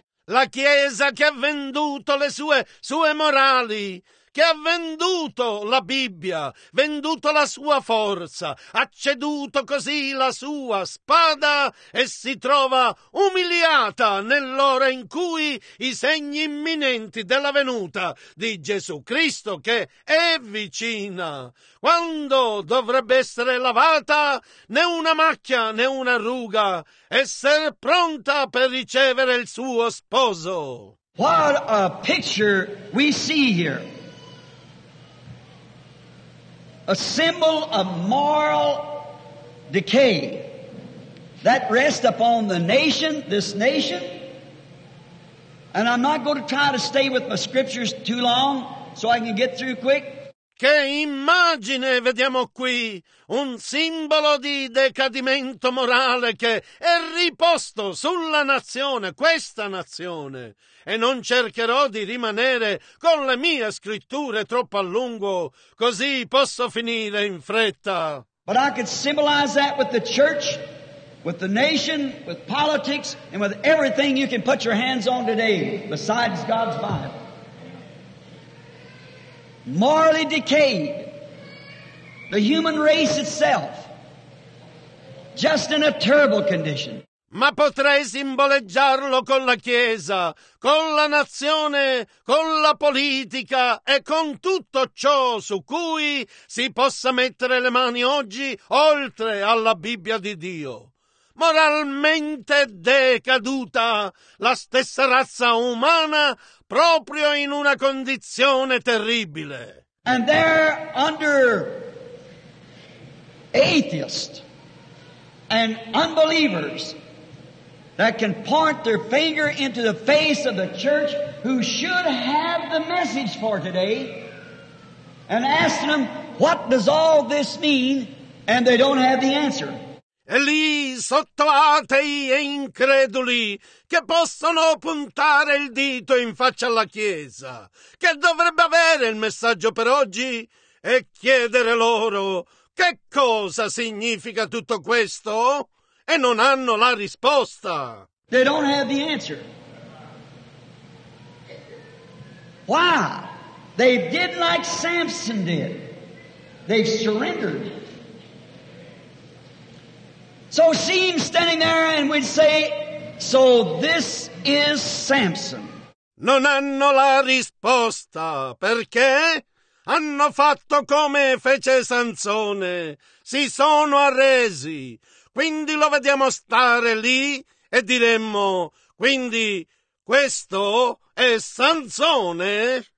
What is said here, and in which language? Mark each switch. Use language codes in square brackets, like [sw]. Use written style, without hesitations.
[it] La Chiesa che ha venduto le sue morali, che ha venduto la Bibbia, venduto la sua forza, ha ceduto così la sua spada e si trova umiliata nell'ora in cui i segni imminenti della venuta di Gesù Cristo, che è vicina, quando dovrebbe essere lavata né una macchia né una ruga, essere pronta per ricevere il suo sposo. [en] What a picture we see here. A symbol of moral decay that rests upon the nation, this nation. And I'm not going to try to stay with my scriptures too long so I can get through quick. [it] Che immagine vediamo qui? Un simbolo di decadimento morale che è riposto sulla nazione, questa nazione. E non cercherò di rimanere con le mie scritture troppo a lungo, così posso finire in fretta. [en] But I could symbolize that with the church, with the nation, with politics, and with everything you can put your hands on today, besides God's Bible. Morally decayed, the human race itself, just in a terrible condition. [it] Ma potrei simboleggiarlo con la Chiesa, con la nazione, con la politica e con tutto ciò su cui si possa mettere le mani oggi, oltre alla Bibbia di Dio. Moralmente decaduta, la stessa razza umana, proprio in una condizione terribile. [en] And there under atheists and unbelievers that can point their finger into the face of the church who should have the message for today and ask them, what does all this mean? And they don't have the answer. [it] E lì, sotto atei e increduli, che possono puntare il dito in faccia alla Chiesa, che dovrebbe avere il messaggio per oggi, e chiedere loro che cosa significa tutto questo, e non hanno la risposta. [en] They don't have the answer. Why? They did like Samson did. They surrendered. So see him standing there and we'd say, so this is Samson. [it] Non hanno la risposta. Perché? Hanno fatto come fece Sansone. Si sono arresi. Quindi lo vediamo stare lì e diremmo, quindi questo è Sansone?